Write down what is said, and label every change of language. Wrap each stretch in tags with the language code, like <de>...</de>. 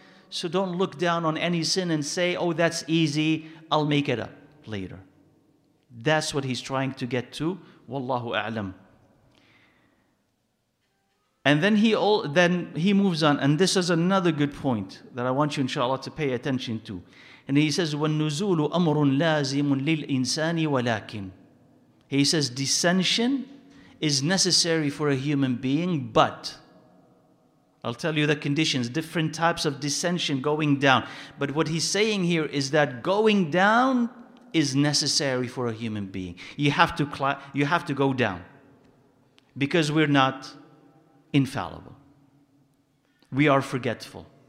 <en>So don't look down on any sin and say, oh, that's easy, I'll make it up later. That's what he's trying to get to. Wallahu a'lam. And then he moves on. And this is another good point that I want you, inshallah, to pay attention to. And he says,</en> <ar>وَالنُّزُولُ أَمْرٌ لَازِمٌ لِلْإِنسَانِ وَلَكِنْ.</ar> <en>He says, descension is necessary for a human being, but I'll tell you the conditions, different types of descension going down. But what he's saying here is that going down is necessary for a human being. You have to go down because we're not infallible. We are forgetful.</en>